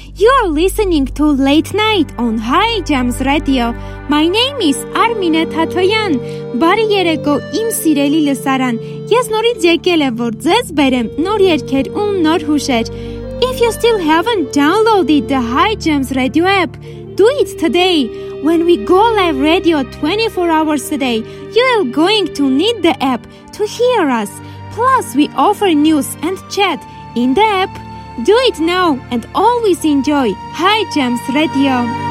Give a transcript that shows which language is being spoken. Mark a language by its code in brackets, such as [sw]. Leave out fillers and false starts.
[en] You are listening to Late Night on High Jams Radio. My name is Armine Tatoyan. [hy] Բարի երեկո, իմ սիրելի լսարան. Ես նորից եկել եմ, որ ձեզ բերեմ նոր երգեր ու նոր հուշեր. [en] If you still haven't downloaded the High Jams Radio app, do it today. When we go live radio 24 hours a day, you are going to need the app to hear us. Plus, we offer news and chat in the app. Do it now and always enjoy High Jams Radio.